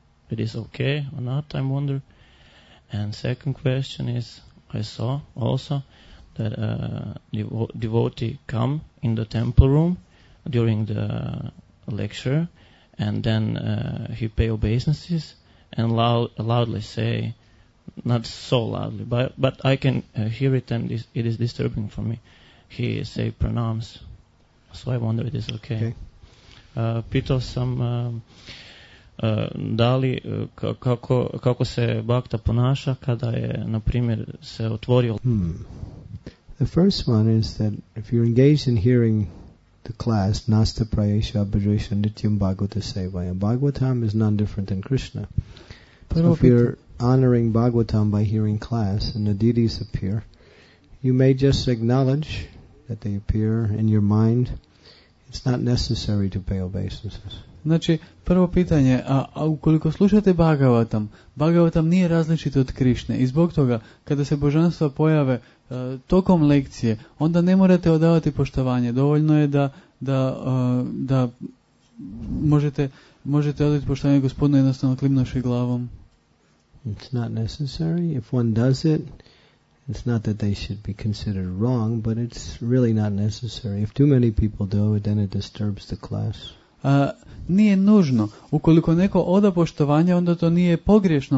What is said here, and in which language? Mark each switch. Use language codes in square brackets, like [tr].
[en] It is okay or not, I wonder. And second question is, I saw also that a devotee come in the temple room during the lecture, and then he pay obeisances and loudly say, not so loudly, but I can hear it, and it is disturbing for me. He say pranams, so I wonder if it is okay. [hr] Pitao sam da li kako se bhakta ponaša kada je na primjer se otvorio. [en] The first one is that if you're engaged in hearing the class, [sa] nasta prayesha abhijesha nityam bhagavata sevaya, [en] bhagavatam is none different than Krishna. So if you're honoring Bhagavatam by hearing class and the deities appear, you may just acknowledge that they appear in your mind. It's not necessary to pay obeisances. [hr] Znači, prvo pitanje, a ukoliko slušate Bhagavatam, Bhagavatam nije različit od Krišne i zbog toga, kada se božanstva pojave tokom lekcije, onda ne morate odavati poštovanje. Dovoljno je da možete odati poštovanje gospodinu jednostavno klimnuši glavom. [en] It's not necessary. If one does it, it's not that they should be considered wrong, but it's really not necessary. If too many people do it, then it disturbs the class. [hr] Nije nužno. Ukoliko neko oda poštovanje, onda to nije pogrešno.